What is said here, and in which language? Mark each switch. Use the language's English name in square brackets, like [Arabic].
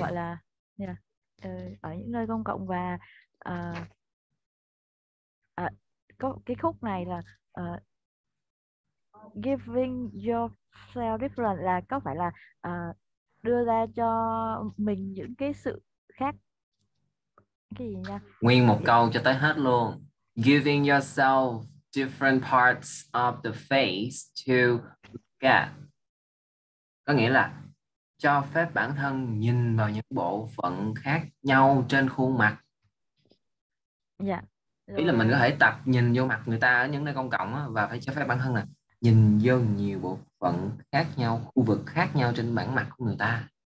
[Vietnamese] Gọi là ở những nơi công cộng và có cái khúc này là [English] giving yourself different [Vietnamese] là có phải là đưa ra cho mình những cái sự khác cái gì nha? Nguyên một câu cho tới hết luôn. [English] Giving yourself different parts of the face to look at. [Vietnamese] Có nghĩa là cho phép bản thân nhìn vào những bộ phận khác nhau trên khuôn mặt. Dạ. Ý là mình có thể tập nhìn vô mặt người ta ở những nơi công cộng đó, và phải cho phép bản thân là nhìn vô nhiều bộ phận khác nhau, khu vực khác nhau trên bản mặt của người ta.